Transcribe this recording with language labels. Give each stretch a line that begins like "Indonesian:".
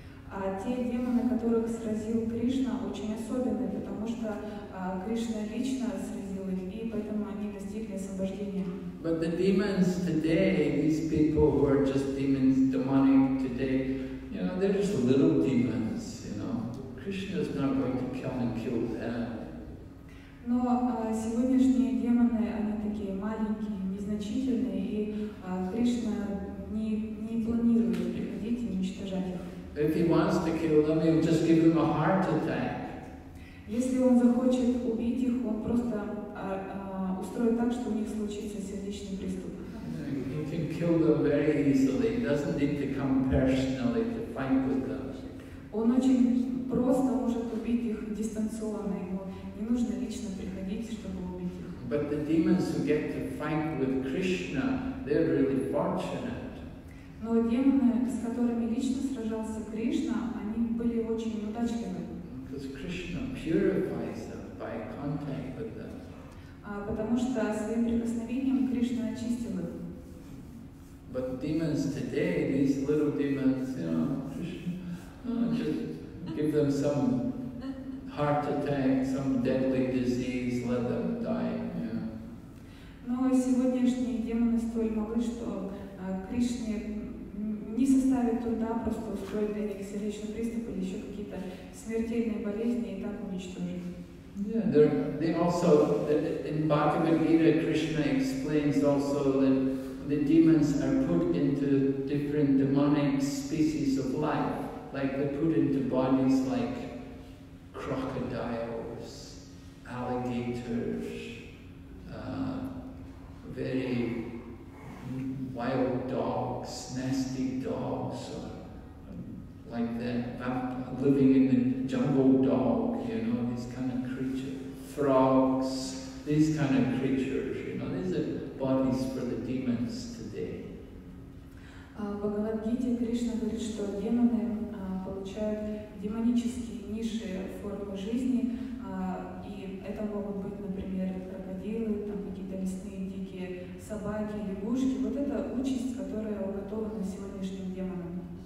Russian: А те демоны, которых сразил Кришна, очень особенные, потому что Кришна лично сразил их, и поэтому они достигли освобождения.
English: But the demons today, these people who are just demons, demonic today, you know, they're just little demons, you know. Krishna is not going to come and kill them.
Russian: Но сегодняшние демоны, они такие маленькие, незначительные, и Кришна не планирует приходить и уничтожать их.
English: If he wants to kill them, he'll just give them a heart attack.
Russian: Если он захочет убить их, он просто устроит так, что у них случится сердечный приступ.
English: He can kill them very easily. He doesn't need to come personally to fight with them.
Russian: Он очень просто может убить их дистанционно. Ему не нужно лично приходить, чтобы убить их.
English: But the demons who get to fight with Krishna, they're really fortunate.
Russian: Но демоны, с которыми лично сражался Кришна, они были очень удачливыми.
English: Because Krishna purifies them by contact with them.
Russian: Потому что своим прикосновением Кришна очистил их.
English: But demons today, these little demons, you know, just give them some heart attack, some deadly disease, let them die. Yeah.
Russian: Но сегодняшние демоны столь малы, что Кришне не составит труда просто устроить для них сердечный приступ или еще какие-то смертельные болезни и так уничтожить.
English: Yeah, they also in Bhagavad Gita Krishna explains also that the demons are put into different demonic species of life, like they're put into bodies like crocodiles, alligators, very wild dogs, nasty dogs, or like that, living in the jungle dog, you know, these kind of creatures. Frogs, these kind of creatures, you know, these are bodies for the demons today.
Russian: Бхагавад-гите Кришна говорит, что демоны получают демонические низшие формы жизни, и это могут быть, например, крокодилы, там какие-то лесные дикие собаки, лягушки. Вот это участь, которая уготована сегодняшним демонам.